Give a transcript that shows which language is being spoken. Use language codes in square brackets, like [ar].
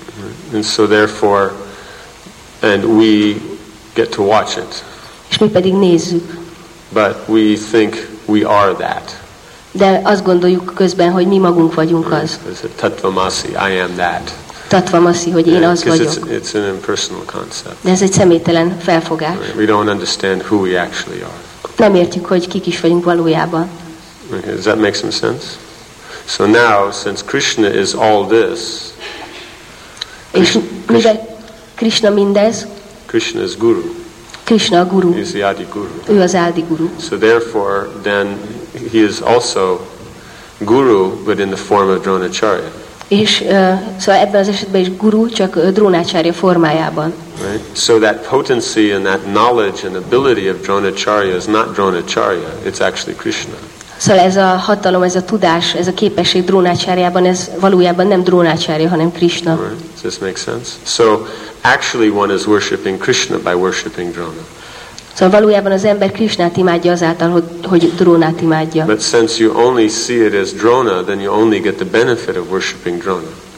[en] Right. And so therefore, and we get to watch it. [hu] És mi pedig nézzük. [en] But we think we are that. [hu] De azt gondoljuk közben, hogy mi magunk vagyunk az. [en] Tattvamasi, I am that. [hu] Tattvamasi, hogy én az vagyok. [en] It's an impersonal concept. [hu] De ez egy személytelen felfogás. [en] Right. We don't understand who we actually are. [hu] Nem értjük, hogy kik is vagyunk valójában. [en] Okay. Does that make some sense? So now, since Krishna is all this, [hu] és mivel Krishna mindez, [en] Krishna is guru. [hu] Krishna a guru. [en] He's the Adi guru. [hu] Ő az Adi guru. [en] So therefore, then he is also guru, but in the form of Dronacharya. [hu] És szóval ebben az esetben is guru, csak Dronacharya formájában. [en] Right. So that potency and that knowledge and ability of Dronacharya is not Dronacharya, it's actually Krishna. [hu] Szóval ez a hatalom, ez a tudás, ez a képesség Dronacharyában, ez valójában nem Dronacharya, hanem Krishna. [en] Right. Does this make sense? So actually one is worshipping Krishna by worshipping Drona. [hu] Szóval valójában az ember Krishnát imádja azáltal, hogy Drónát imádja. [en] But since you only see it as Drona, then you only get the benefit of worshiping Drona.